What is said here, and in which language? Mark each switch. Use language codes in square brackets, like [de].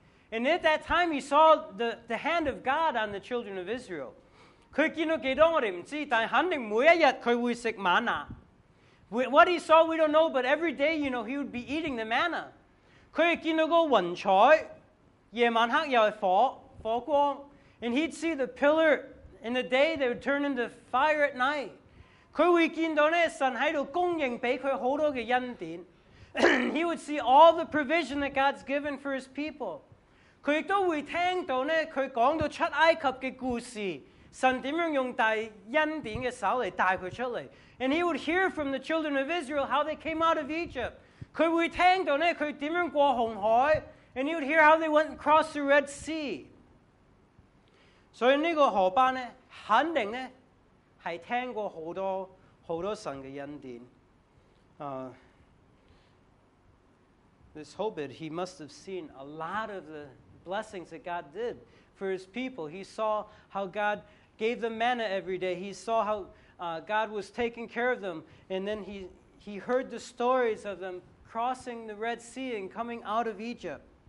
[en] And at that time, he saw the hand of God on the children of Israel. [zh] 他见到多少我们不知道,但肯定每一天他会吃玛拿。 [en] What he saw, we don't know, but every day, you know, he would be eating the manna. [zh] 他见到云彩,夜晚黑又是火光。 [en] And he'd see the pillar. In the day, they would turn into fire at night. [zh] 他会见到神在供应给他很多的恩典。 [en] He would see all the provision that God's given for his people. [zh] 他也会听到他讲到出埃及的故事, 神怎样用大恩典的手来带他出来。 [en] And he would hear from the children of Israel how they came out of Egypt. [zh] 他会听到他怎样过红海, [en] and he would hear how they went across the Red Sea. [zh] 所以这个河巴呢, 肯定呢,是听过很多神的恩典。 [en] This Hobit, he must have seen a lot of the blessings that God did for his people. He saw how God gave them manna every day. He saw how God was taking care of them. And then he heard the stories of them crossing the Red Sea and coming out of Egypt.